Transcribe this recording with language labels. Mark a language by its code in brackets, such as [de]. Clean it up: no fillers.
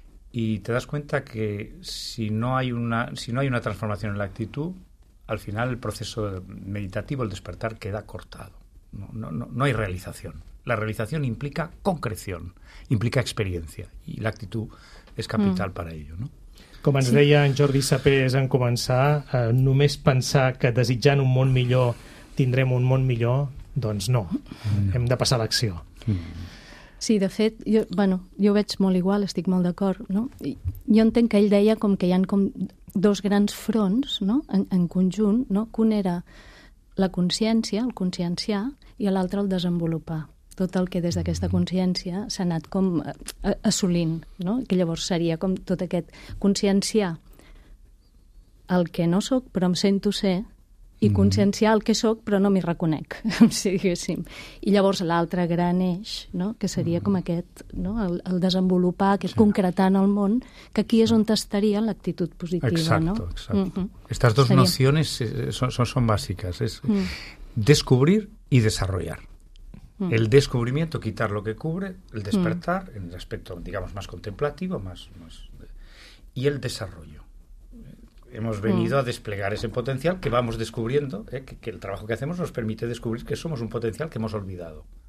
[es] Y te das cuenta que si no hay una transformación en la actitud, al final el proceso meditativo, el despertar, queda cortado. No hay realización. La realización implica concreción, implica experiencia. Y la actitud es capital para ello, ¿no? [ca] Com ens deia en Jordi Sapés en començar, només pensar que desitjant un món millor tindrem un món millor, doncs no. Hem de passar a l'acció. Sí, de fet, jo veig molt igual, estic molt d'acord, no? I jo entenc que ell deia com que hi ha com dos grans fronts, no? En conjunt, no? Que un era la consciència, el conscienciar, i l'altre el desenvolupar. Tot el que des d'aquesta consciència s'ha anat com assolint, no? Que llavors seria com tot aquest conscienciar el que no sóc, però em sento ser, i conscienciar el que sóc, però no m'hi reconec, si diguéssim. I llavors l'altre gran eix, no? Que seria com aquest, no? El desenvolupar, aquest sí. Concretar en el món, que aquí és on estaria l'actitud positiva, [es] exacto, no? Exacto. Estas dos nociones son básicas. Es descubrir y desarrollar. El descubrimiento, quitar lo que cubre, el despertar, en el aspecto, digamos, más contemplativo, más y el desarrollo. Hemos venido a desplegar ese potencial que vamos descubriendo, que el trabajo que hacemos nos permite descubrir que somos un potencial que hemos olvidado.